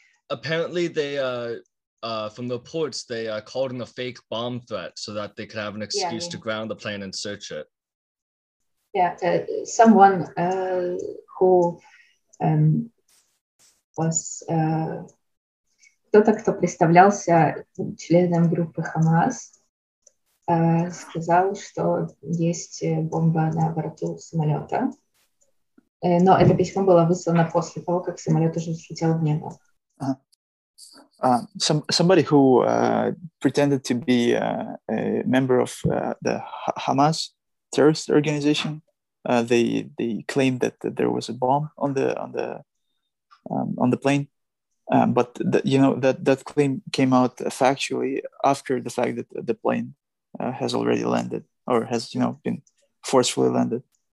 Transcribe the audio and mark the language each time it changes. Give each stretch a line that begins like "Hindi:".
English: apparently they from the reports, they called in a fake bomb threat so that they could have an excuse to ground the plane and search it. Yeah, someone who was
Russian: кто-то, кто представлялся членом группы Хамас, сказал, что есть бомба на борту самолета. Но это письмо было выслано после того, как самолет уже взлетел в небо.
English: Somebody who pretended to be a member of the Hamas terrorist organization, they claimed that there was a bomb on the plane, but that claim came out factually after the fact that the plane has already landed or has been forcefully landed.